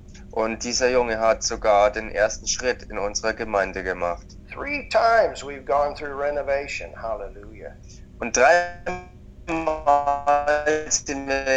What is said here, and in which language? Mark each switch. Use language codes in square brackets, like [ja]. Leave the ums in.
[de] Und dieser Junge hat sogar den ersten Schritt in unserer Gemeinde gemacht. [en] Three times we've gone through renovation. Halleluja. [de] Und dreimal damals sind